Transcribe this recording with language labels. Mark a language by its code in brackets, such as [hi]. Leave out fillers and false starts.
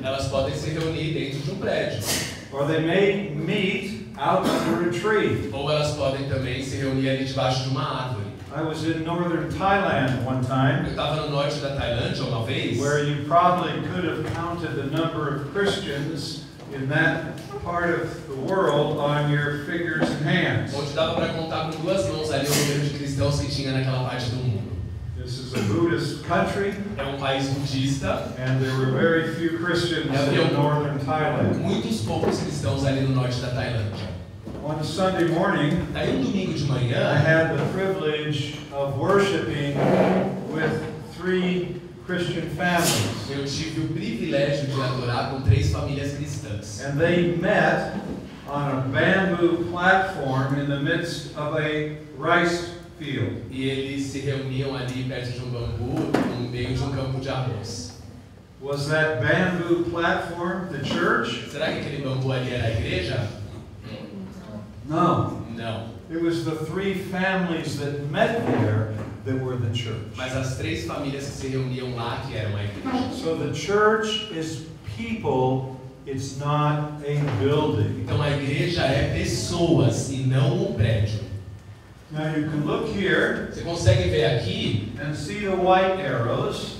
[pt] Elas podem se reunir dentro de um prédio. [en] Or they may meet out under a tree. [pt] Ou elas podem também se reunir ali debaixo de uma árvore. [en] I was in northern Thailand one time. [pt] Eu estava no norte da Tailândia uma vez. [en] Where you probably could have counted the number of Christians in that part of the world on your fingers and hands. [pt] Onde dava para contar com duas mãos ali o número de cristãos que tinha naquela parte do mundo. [en] This is a Buddhist country. [pt] É um país budista. [en] And there were very few Christians in northern Thailand. [pt] Muitos poucos cristãos ali no norte da Tailândia. [en] On a Sunday morning, [pt] daí um domingo de manhã, [en] I had the privilege of worshiping with three Christian families. [pt] Eu tive o privilégio de adorar com três famílias cristãs. [en] And they met on a bamboo platform in the midst of a rice field. [pt] E eles se reuniam ali perto de um bambu, no meio de um campo de arroz. [en] Was that bamboo platform the church? [pt] Será que aquele bambu ali era a igreja? [en] No. [pt] No. [en] It was the three families that met there that were the church. [pt] Mas as três famílias que se reuniam lá que eram a igreja. [en] So the church is people. It's not a building. [pt] Então a igreja é pessoas e não um prédio. [en] Now you can look here. [pt] Você consegue ver aqui? [en] And see the white arrows.